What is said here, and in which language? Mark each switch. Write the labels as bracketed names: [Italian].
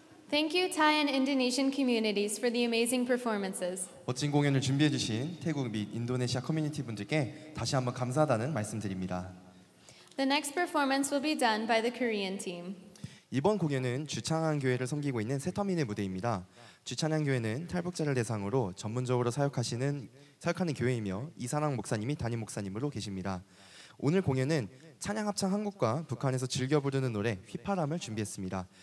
[English] Thank you, Thai and Indonesian communities, for the amazing performances. [Korean] 멋진 공연을 준비해 주신 태국 및 인도네시아 커뮤니티 분들께 다시 한번 감사하다는 말씀드립니다. [English] The next performance will be done by the Korean team. [Korean] 이번 공연은 주창한 교회를 섬기고 있는 세터민의 무대입니다. 주창한 교회는 탈북자를 대상으로 전문적으로 사역하는 교회이며 이산학 목사님이 담임 목사님으로 계십니다. 오늘 공연은 찬양 합창 한국과 북한에서 즐겨 부르는 노래 휘파람을 준비했습니다.